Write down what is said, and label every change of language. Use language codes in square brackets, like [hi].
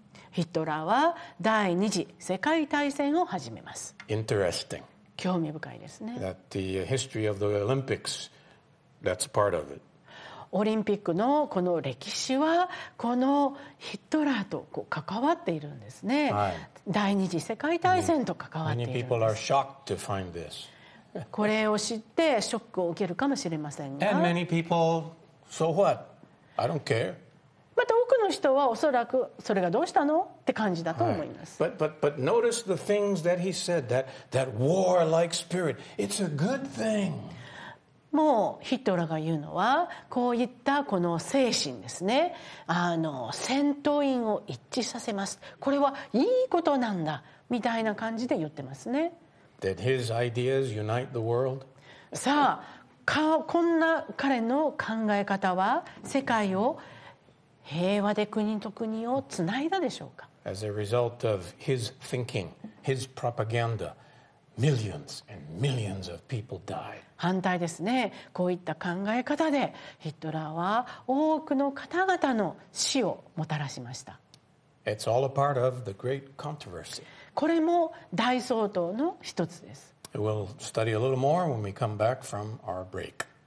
[ja] ヒトラーは第二次世界大戦を始めます。 [en] Interesting. [ja] 興味深いですね。 [en] That the history of the Olympics, that's part of it. [ja] オリンピックのこの歴史はこのヒトラーとこう関わっているんですね。はい。第二次世界大戦と関わっているんです。 [en] Many people are shocked to find this. [ja] これを知ってショックを受けるかもしれませんが。 [en] And many people, so what? I don't care. [ja] また多くの人はおそらくそれがどうしたのって感じだと思います。 [en] But, but notice the things that he said, that war-like spirit, it's a good thing. [ja] もうヒトラーが言うのはこういったこの精神ですね。あの戦闘員を一致させます。これはいいことなんだみたいな感じで言ってますね。 [en] Did his ideas unite the world? [ja] さあこんな彼の考え方は世界を平和で国と国をつないだでしょうか。 [en] As a result of his thinking, his propaganda, millions and millions of people died. [ja] 反対ですね。こういった考え方でヒトラーは多くの方々の死をもたらしました。 [en] It's all a part of the great controversy. [ja] これも大騒動の一つです。 [en] We'll study a little more when we come back from our break.